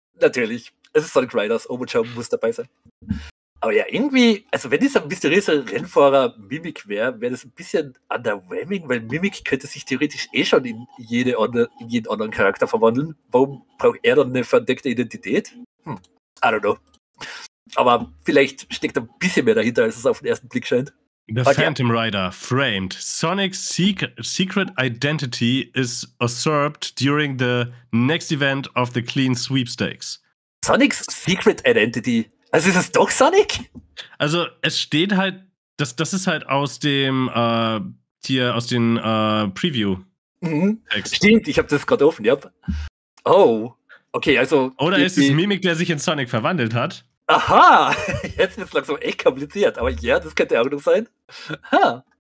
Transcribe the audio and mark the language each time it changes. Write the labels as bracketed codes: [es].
[de] Natürlich, es ist Sonic Riders. Omo Chao muss dabei sein. Aber ja, irgendwie, also wenn dieser mysteriöse Rennfahrer Mimic wäre, wäre das ein bisschen underwhelming, weil Mimic könnte sich theoretisch eh schon in, jede andere, in jeden anderen Charakter verwandeln. Warum braucht er dann eine verdeckte Identität? [en] I don't know. [de] Aber vielleicht steckt ein bisschen mehr dahinter, als es auf den ersten Blick scheint. [en] The Phantom Rider framed. Sonic's secret identity is usurped during the next event of the Clean Sweepstakes. Sonic's secret identity? [de] Also ist es doch Sonic? Also es steht halt, das ist halt aus dem hier aus dem Preview. Mhm. Stimmt, ich habe das gerade offen, ja. Oh, okay, also. Oder ist es Mimic, der sich in Sonic verwandelt hat? Aha, jetzt wird es langsam echt kompliziert, aber ja, das könnte auch noch sein. Ha.